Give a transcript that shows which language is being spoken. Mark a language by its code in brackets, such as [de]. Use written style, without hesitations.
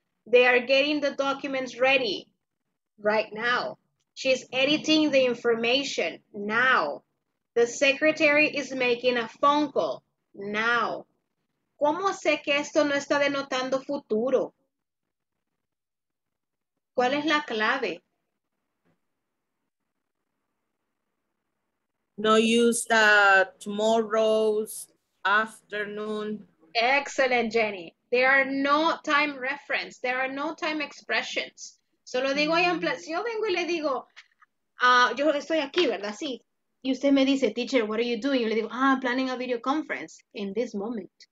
[en] They are getting the documents ready right now. She's editing the information now. The secretary is making a phone call now. [es] ¿Cómo sé que esto no está denotando futuro? ¿Cuál es la clave? [en] No use the tomorrow's afternoon. Excellent, Jenny. There are no time reference. There are no time expressions. [es] Solo digo, si yo vengo y le digo, yo estoy aquí, ¿verdad? Sí. Y usted me dice, [en] teacher, what are you doing? [es] Yo le digo, [en] I'm planning a video conference in this moment.